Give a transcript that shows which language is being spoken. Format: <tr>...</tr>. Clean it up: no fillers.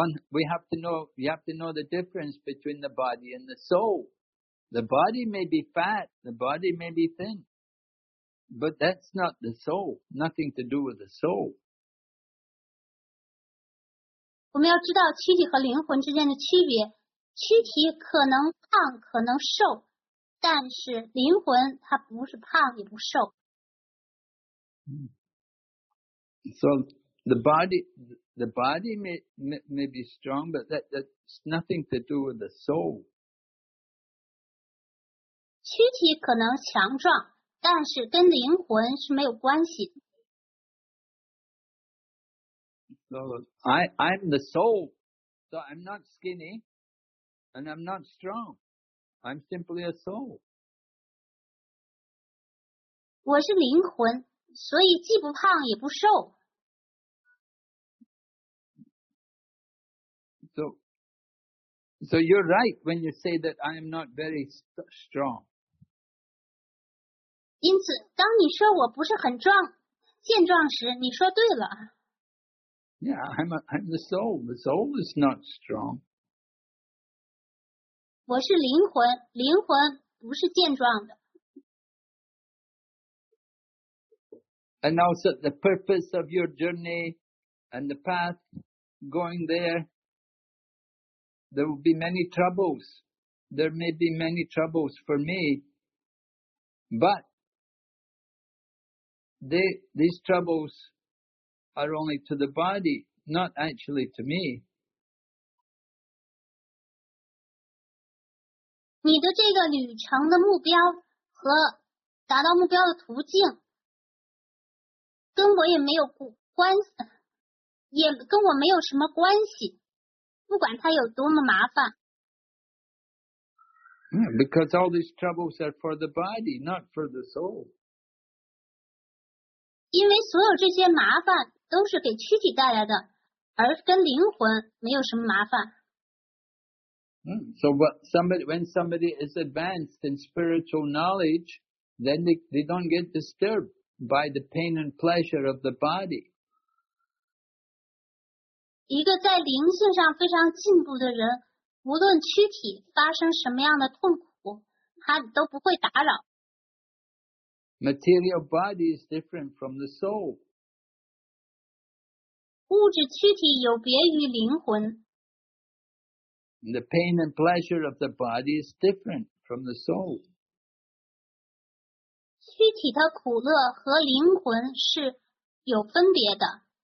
<en>We have to know the difference between the body and the soul. The body may be fat, the body may be thin, but that's not the soul, nothing to do with the soul.</en> <zh>我们要知道躯体和灵魂之间的区别，躯体可能胖，可能瘦，但是灵魂它不是胖也不瘦。</zh> <en>So the body may be strong, but that's nothing to do with the soul.</en> <zh>躯体可能强壮，但是跟灵魂是没有关系的。</zh> <en>So I'm the soul, so I'm not skinny, and I'm not strong. I'm simply a soul.</en> <zh>我是灵魂，所以既不胖也不瘦。</zh> <en>So you're right when you say that I am not very strong.</en> <zh>因此，当你说我不是很壮、健壮时，你说对了。</zh> <en>Yeah, I'm the soul. The soul is not strong.</en> <zh>我是灵魂，灵魂不是健壮的。</zh> <en>And also the purpose of your journey and the path going there, there will be many troubles. There may be many troubles for me, but these troubles are only to the body, not actually to me.</en> <zh>你的这个旅程的目标和达到目标的途径跟我也没有关系，也跟我没有什么关系，不管它有多么麻烦。</zh> <en>Yeah, because all these troubles are for the body, not for the soul.</en> <zh>因为所有这些麻烦都是给躯体带来的，而跟灵魂没有什么麻烦。</zh> <en>So when somebody is advanced in spiritual knowledge, then they don't get disturbed by the pain and pleasure of the body.</en> <zh>一个在灵性上非常进步的人，无论躯体发生什么样的痛苦，他都不会打扰。</zh> <en>Material body is different from the soul.</en> <zh>物质躯体有别于灵魂。</zh> <en>The pain and pleasure of the body is different from the soul.</en> <zh>躯体的苦乐和灵魂是有分别的。</zh>